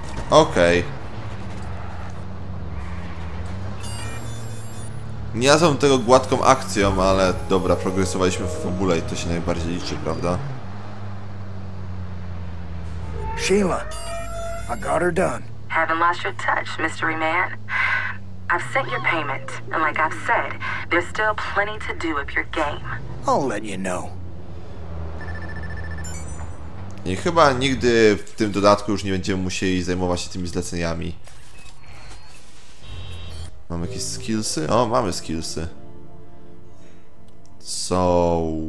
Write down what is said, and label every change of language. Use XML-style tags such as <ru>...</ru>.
<pl>Okej. Nie nazywam tego gładką akcją, ale dobra, progresowaliśmy w fabule i to się najbardziej liczy, prawda?</pl> <en>Sheila, I got her done. Haven't lost your touch, mystery man. I've sent your payment, and like I've said, there's still plenty to do with your game. I'll let you know.</en> <pl>I chyba nigdy w tym dodatku już nie będziemy musieli zajmować się tymi zleceniami. Mamy jakieś skillsy? O, mamy skillsy.</pl> <en>So...</en>